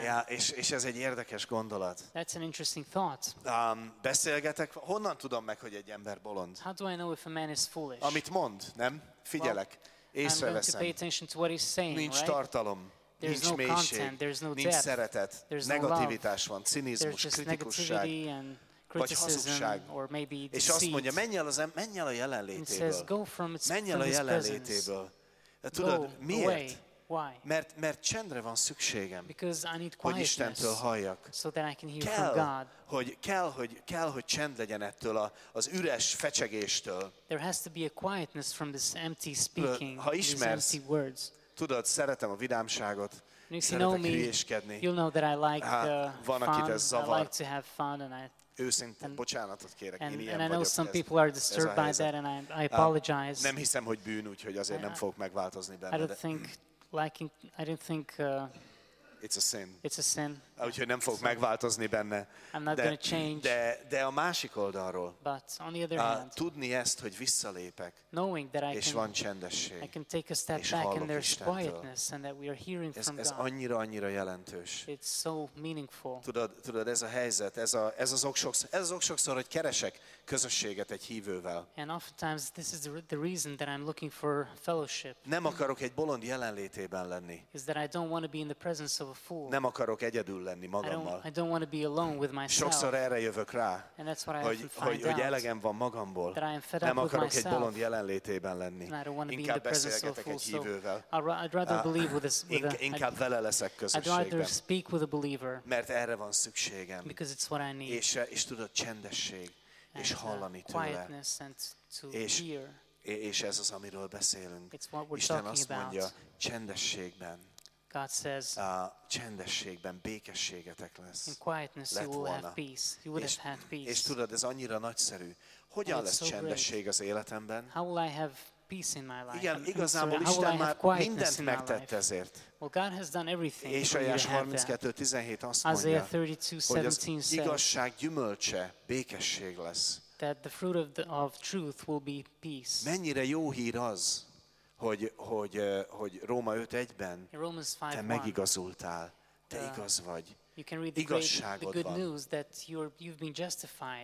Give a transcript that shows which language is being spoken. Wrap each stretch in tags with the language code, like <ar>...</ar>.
<hu>Ja, és ez egy érdekes gondolat.</hu> <en>That's an interesting thought.</en> <hu>Beszélgetek, honnan tudom meg, hogy egy ember bolond?</hu> <en>How do I know if a man is foolish?</en> <hu>Amit mond, nem? Figyelek, észreveszem.</hu> <en>I'm going to pay attention to what he's saying,</en> <hu>nincs</hu> <en>right?</en> <hu>Tartalom.</hu> <en>There's</en> <hu>nincs</hu> <en>no</en> <hu>mélység,</hu> <en>content, there's no</en> <hu>nincs</hu> <en>depth,</en> <hu>szeretet,</hu> <en>there's</en> <hu>negativitás</hu> <en>no</en> <hu>van, cinizmus, kritikusság, vagy hazugság.</hu> <en>Or maybe deceit.</en> <hu>És azt mondja, menj el a jelenlétéből.</hu> <en>He says, go from its,</en> <hu>menj el</hu> <en>from</en> <hu>a jelenlétéből.</hu> <en>Presence.</en> <hu>Tudod,</hu> <en>go</en> <hu>miért?</hu> <en>Away. Why?</en> <hu>Mert csendre van szükségem,</hu> <en>because I need</en> <hu>hogy Istentől halljak.</hu> <en>So that I can hear</en> <hu>kell,</hu> <en>from God.</en> <hu>Kell, hogy csend legyen ettől az üres fecsegéstől.</hu> <en>There has to be a quietness from this empty speaking,</en> <hu>ha ismersz,</hu> <en>these empty words.</en> <hu>Tudod, szeretem a vidámságot, szeretek hülyéskedni.</hu> <en>You'll know that I like</en> <hu>van, akit ez zavar.</hu> <en>I like to have fun and I</en> <hu>őszintén bocsánatot kérek,</hu> <en>and,</en> <hu>én ilyen</hu> <en>and I know</en> <hu>vagyok,</hu> <en>some people are disturbed by that and I apologize.</en> <hu>Nem hiszem, hogy bűn, úgyhogy azért nem fogok megváltozni benne.</hu> <en>I don't think liking, I don't think it's a sin. It's a sin.</en> <hu>Úgyhogy nem fogok megváltozni benne.</hu> <en>I'm not going to change.</en> <hu>De a másik oldalról.</hu> <en>But on the other hand,</en> <hu>tudni ezt, hogy visszalépek.</hu> <en>Knowing that I</en> <hu>és</hu> <en>can,</en> <hu>van csendesség.</hu> <en>I can take a step back and there's quietness and that we are hearing</en> <hu>ez,</hu> <en>from God.</en> <hu>Ez annyira jelentős.</hu> <en>It's so meaningful.</en> <hu>Tudod ez a helyzet, ez az ok sokszor, hogy keresek közösséget egy hívővel.</hu> <en>And oftentimes this is the reason that I'm looking for fellowship.</en> <hu>Nem akarok egy bolond jelenlétében lenni.</hu> <en>Is that I don't want to be in the presence of a fool.</en> <hu>Nem akarok egyedül lenni magammal.</hu> <en>I don't want to be alone with myself.</en> <hu>Sokszor erre jövök rá,</hu> <en>and that's what I</en> <hu>hogy elegem van magamból.</hu> <en>That I am fed up</en> <hu>nem akarok</hu> <en>with myself,</en> <hu>egy bolond jelenlétében lenni. Inkább beszélgetek</hu> <en>fool,</en> <hu>egy hívővel.</hu> <en>I'd rather believe with this, with</en> <hu>inkább a, vele leszek közösségben.</hu> <en>I'd rather speak with a believer,</en> <hu>mert erre van szükségem.</hu> <en>Because it's what I need.</en> <hu>És tudod, csendesség,</hu> <en>and</en> <hu>és hallani tőle.</hu> <en>Quietness and to hear.</en> <hu>És ez az, amiről beszélünk.</hu> <en>It's what we're</en> <hu>Isten azt</hu> <en>about.</en> <hu>Mondja, csendességben.</hu> <en>God says,</en> <hu>csendességben békességetek lesz.</hu> <en>In quietness you will have peace. You would have had peace.</en> <hu>És tudod, ez annyira nagyszerű. Hogyan lesz csendesség az életemben?</hu> <en>How will I have peace in my life.</en> <hu>Igen, igazából Isten már mindent megtett ezért.</hu> <en>Well, God has done everything.</en> <hu>Ésaiás 32:17 azt mondja, hogy az igazság gyümölcse békesség lesz.</hu> <en>That the fruit of truth will be peace.</en> <hu>Mennyire jó hír az, hogy Róma 5:1-ben te megigazultál, te igaz vagy.</hu> <en>You can read the good news that you've been justified.</en>